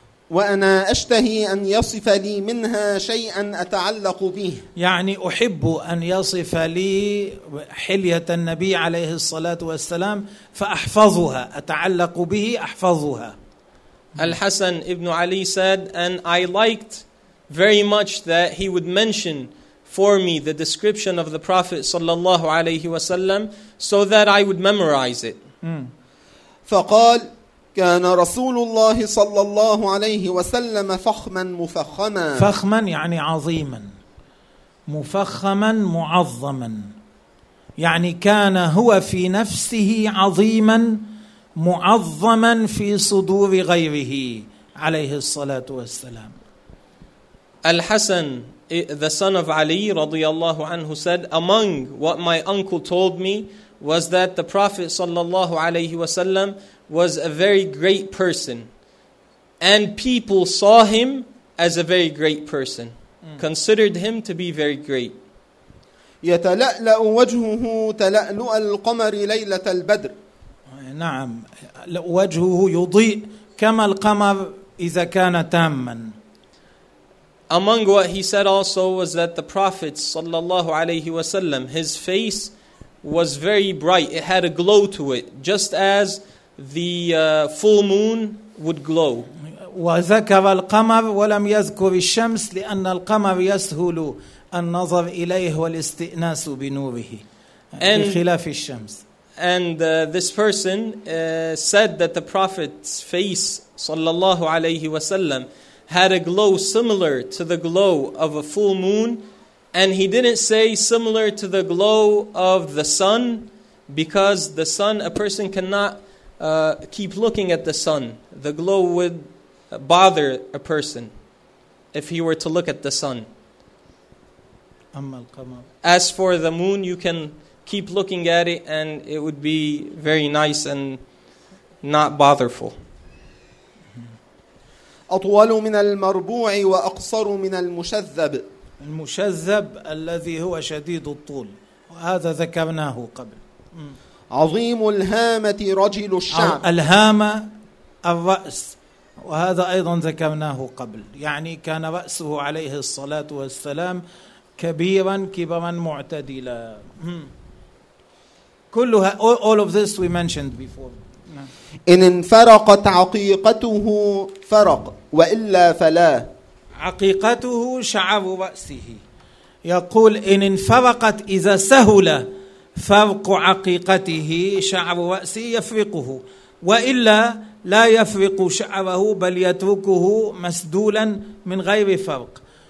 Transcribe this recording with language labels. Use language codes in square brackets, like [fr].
[ar] وأنا أشتهي أن يصف لي منها شيئا أتعلق به. يعني أحب أن يصف لي حلية النبي عليه الصلاة والسلام فأحفظها أتعلق به أحفظها. [en] الحسن ابن علي said, and I liked very much that he would mention for me the description of the Prophet صلى الله عليه وسلم so that I would memorize it. [ar] فقال كان رسول الله صلى الله عليه وسلم فخما مفخما. فخما يعني عظيما. مفخما معظما. يعني كان هو في نفسه عظيما معظما في صدور غيره عليه الصلاة والسلام. [en] الحسن, the son of Ali رضي الله عنه, said, among what my uncle told me was that the Prophet صلى الله عليه وسلم was a very great person, and people saw him as a very great person, considered him to be very great. [ar] يتلألأ وجهه تلألؤ القمر ليلة البدر. نعم, وجهه يضيء كما القمر إذا كان تاما. [en] Among what he said also was that the Prophet sallallahu alayhi wasallam, his face was very bright. It had a glow to it, just as the full moon would glow. [ar] وذكر القمر ولم يذكر الشمس لأن القمر يسهل النظر إليه والاستئناس بنوره بخلاف الشمس. [en] And this person said that the Prophet's face, sallallahu alayhi wasallam, had a glow similar to the glow of a full moon, and he didn't say similar to the glow of the sun, because the sun, a person cannot keep looking at the sun. The glow would bother a person if he were to look at the sun. As for the moon, you can keep looking at it and it would be very nice and not botherful. [ar] أطول من المربوع وأقصر من المشذب. المشذب الذي هو شديد الطول، هذا ذكرناه قبل. عظيم الهامة رجل الشعر. الهامة الرأس، وهذا أيضا ذكرناه قبل. يعني كان رأسه عليه الصلاة والسلام كبيرا كبرا معتدلا. كلها [en] all of this we mentioned before. [ar] إن انفرقت عقيقته فرق وإلا فلا. عقيقته شعر رأسه. يقول إن انفرقت إذا سهل فرق عقيقته شعر رأسه يفرقه، وإلا لا يفرق شعره بل يتركه مسدولا من غير فرق.